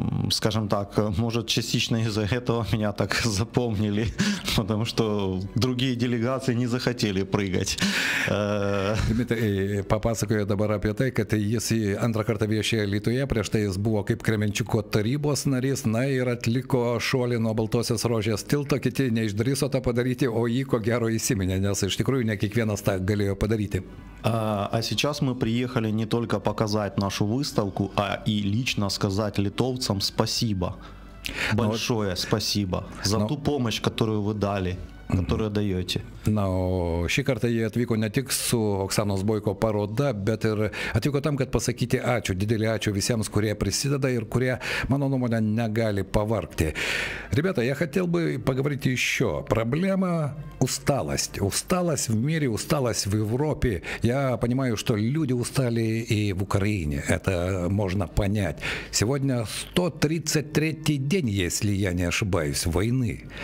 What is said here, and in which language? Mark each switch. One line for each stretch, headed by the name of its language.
Russian: Скажем так, может, частично из-за этого меня так запомнили, потому что другие делегации не захотели прыгать.
Lithuanian: Dmitrij, papasakoju dabar apie tai, kad jis antrą kartą viešėjo Lietuvoje, prieš tai jis buvo kaip Kremenčiuko tarybos narys, na ir atliko šuolį nuo Baltosios Rožės tilto, kiti neišdrįso tą padaryti, o jį ko gero įsiminė, nes iš tikrųjų ne kiekvienas tą galėjo padaryti.
Russian: А сейчас мы приехали не только показать нашу выставку, а и лично сказать литовцам спасибо, большое спасибо за ту помощь, которую вы дали. Которую даете.
Lithuanian: Na, o šį kartą jie atvyko ne tik su Oksanos Boiko paroda, bet ir atvyko tam, kad pasakyti ačiū, didelį ačiū visiems, kurie prisideda ir kurie, mano nuomonė, negali pavargti.
Russian: Ребята, я хотел бы поговорить еще. Проблема – усталость. Усталость в мире, усталость в Европе. Я понимаю, что люди устали и в Украине. Это можно понять. Сегодня 133-й день, если я не ошибаюсь, войны.